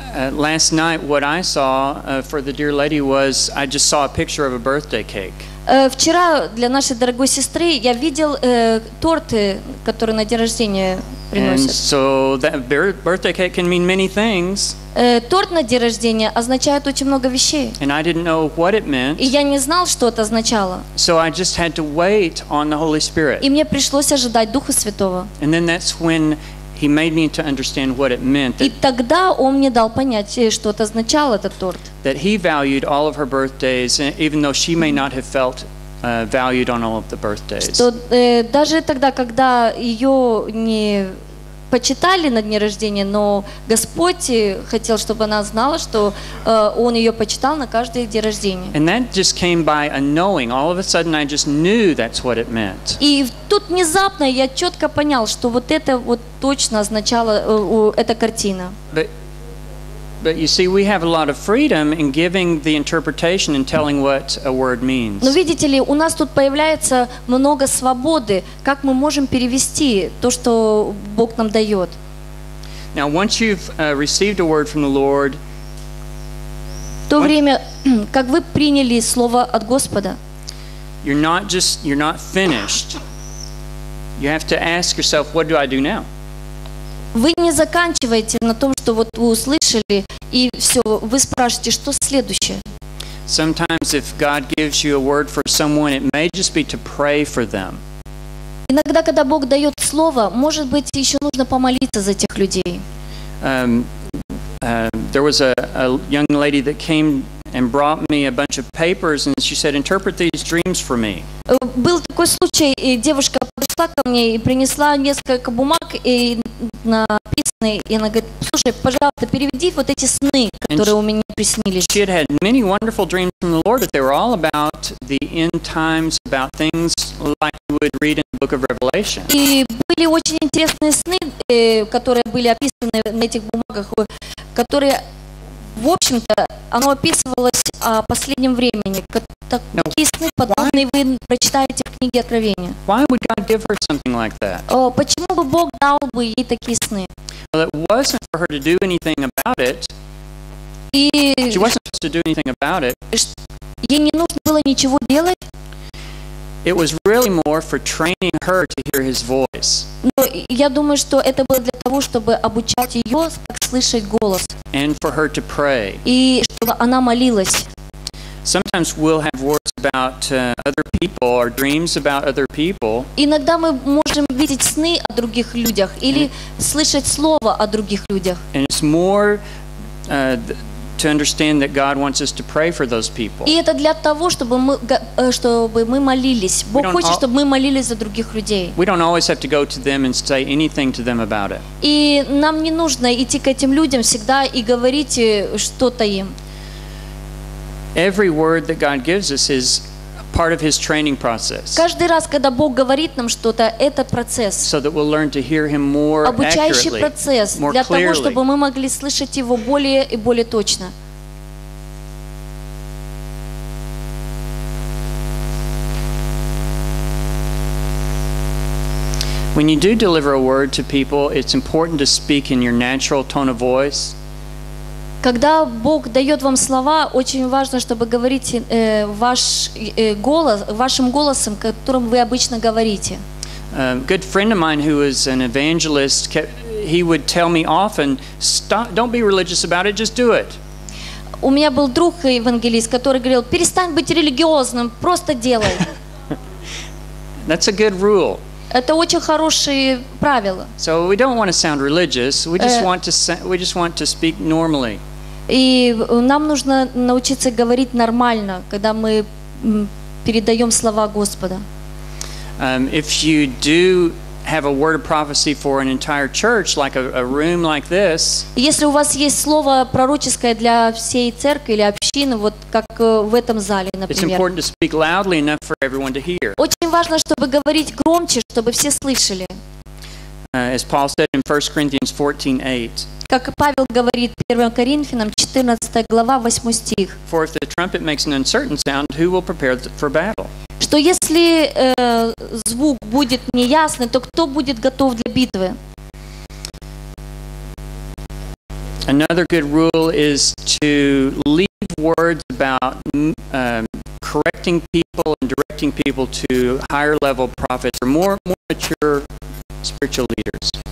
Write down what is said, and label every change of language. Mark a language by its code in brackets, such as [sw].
[en] Last night what I saw for the dear lady was I just saw a picture of a birthday cake. [ru] Вчера для нашей дорогой сестры я видел торты, которые на день рождения приносят. [en] And so that birthday cake can mean many things. [ru] Торт на день рождения означает очень много вещей. [en] And I didn't know what it meant. [ru] И я не знал, что это означало. [en] So I just had to wait on the Holy Spirit. [ru] И мне пришлось ожидать Духа Святого. [en] And then that's when He made me to understand what it meant. [ru] И тогда он мне дал понять, что это означало этот торт. [en] That he valued all of her birthdays, even though she may not have felt valued on all of the birthdays. [ru] Что даже тогда, когда ее не почитали на дне рождения, но Господь хотел, чтобы она знала, что он ее почитал на каждый день рождения. [en] And that just came by a knowing. All of a sudden, I just knew that's what it meant. [ru] И тут внезапно я четко понял, что вот это вот точно означало эта картина. [en] But you see, we have a lot of freedom in giving the interpretation and telling what a word means. [ru] Но видите ли, у нас тут появляется много свободы, как мы можем перевести то, что Бог нам дает. [en] Now, once you've received a word from the Lord, [ru] то время, как вы приняли слово от Господа, [en] you're not finished. You have to ask yourself, what do I do now? [ru] Вы не заканчиваете на том, что вот вы услышали, и все, вы спрашиваете, что следующее? [en] Sometimes if God gives you a word for someone, it may just be to pray for them. [ru] Иногда, когда Бог дает слово, может быть, еще нужно помолиться за тех людей. [en] There was a young lady that came and brought me a bunch of papers, and she said, "Interpret these dreams for me." [ru] Был такой случай, и девушка пришла ко мне и принесла несколько бумаг и написанные, и она говорит, "Слушай, пожалуйста, переведи вот эти сны, которые у меня приснились." [en] She had had many wonderful dreams from the Lord, but they were all about the end times, about things like you would read in the Book of Revelation. [ru] И были очень интересные сны, которые были описаны на этих бумагах, которые в общем-то, оно описывалось о последнем времени. Такие сны подобные вы прочитаете в книге Откровения. [en] Why would God give her something like that? [ru] Почему бы Бог дал бы ей такие сны? [en] Well, it wasn't for her to do anything about it. [ru] И [en] she wasn't supposed to do anything about it. [ru] Ей не нужно было ничего делать. [en] It was really more for training her to hear His voice. [ru] Но я думаю, что это было для того, чтобы обучать ее, как слышать голос. [en] And for her to pray. [ru] И чтобы она молилась. [en] Sometimes we'll have words about other people or dreams about other people. [ru] Иногда мы можем видеть сны о других людях или слышать слово о других людях. [en] And it's more to understand that God wants us to pray for those people. [ru] И это для того, чтобы мы молились. Бог хочет, чтобы мы молились за других людей. [en] We don't always have to go to them and say anything to them about it. [ru] И нам не нужно идти к этим людям всегда и говорить что-то им. [en] Every word that God gives us is part of His training process. [ru] Каждый раз, когда Бог говорит нам что-то, это процесс. [en] So that we'll learn to hear Him more [ru] обучающий процесс [en] more [ru] для [en] clearly. [ru] Того, чтобы мы могли слышать Его более и более точно. [en] When you do deliver a word to people, it's important to speak in your natural tone of voice. [ru] Когда Бог дает вам слова, очень важно, чтобы говорить вашим голосом, которым вы обычно говорите. [en] Good friend of mine who is an evangelist, he would tell me often, "Stop, don't be religious about it, just do it." [ru] У меня был друг евангелист, который говорил: "Перестань быть религиозным, просто делай." [en] That's a good rule. [ru] Это очень хорошие правила. [en] So we don't want to sound religious. We just want to speak normally. [ru] И нам нужно научиться говорить нормально, когда мы передаем слова Господа. [en] If you do have a word of prophecy for an entire church, like a room like this, [ru] если у вас есть слово пророческое для всей церкви или общины, вот как в этом зале, например, [en] it's important to speak loudly enough for everyone to hear. [ru] Очень важно, чтобы говорить громче, чтобы все слышали. [en] As Paul said in 1 Corinthians 14:8. [ru] Как Павел говорит 1 Коринфянам 14 глава 8 стих. [en] For if the trumpet makes an uncertain sound, who will prepare for battle? [ru] Что если звук будет неясный, то кто будет готов для битвы? [en] Another good rule is to leave words about correcting people and directing people to higher level prophets or more mature spiritual leaders.